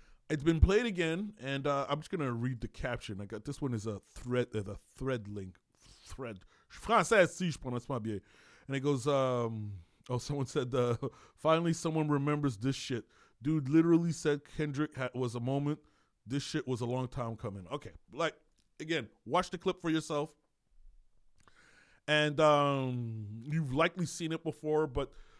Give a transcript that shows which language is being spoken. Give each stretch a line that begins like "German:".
English: It's been played again, and I'm just going to read the caption. I got this one is a thread link.
French: Français, si je prononce pas bien.
English: And it goes, someone said, finally someone remembers this shit. Dude literally said Kendrick was a moment. This shit was a long time coming. Okay, again, watch the clip for yourself. And you've likely seen it before, but...